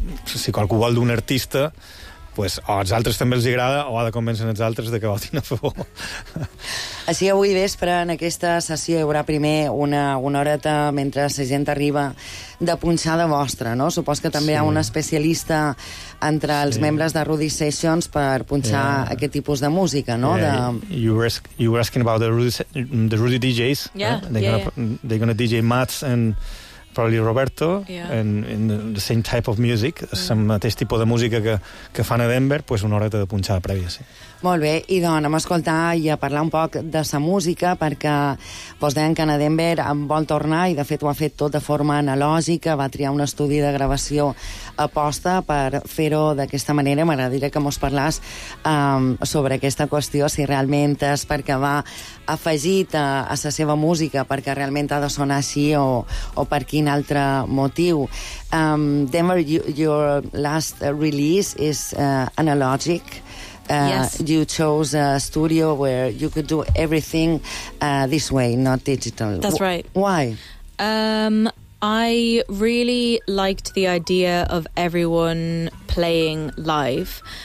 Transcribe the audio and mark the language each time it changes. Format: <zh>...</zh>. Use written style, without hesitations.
<ca>Si qualcú vol d'un artista, pues, o als altres també els agrada o ha de convèncer els altres de que votin a favor. Així avui vespre, en aquesta sessió, hi haurà primer una horeta mentre la gent arriba de punxada vostra, no? Supos que també sí. Hi ha un especialista entre els membres de Rudy Sessions per punxar aquest tipus de música, no?</ca> <en>Yeah. You were asking about the Rudy DJs. Yeah, right? They're gonna DJ Mats and probably Roberto, and the same type of music,</en> <ca>el mateix tipus de música que fan a Denver, pues una horeta de punxada prèvia, sí. Molt bé, i doncs, anem a escoltar i a parlar un poc de sa música, perquè vos deien que en Denver em vol tornar, i de fet ho ha fet tot de forma analògica, va triar un estudi de gravació a posta per fer-ho d'aquesta manera. M'agradaria que mos parlàs sobre aquesta qüestió, si realment és perquè va afegit a sa seva música, perquè realment ha de sonar així, o per quin altre motiu.</ca> <en>Denver, your last release is analogic. Yes. You chose a studio where you could do everything this way, not digital. That's right. Why? I really liked the idea of everyone playing live.</en>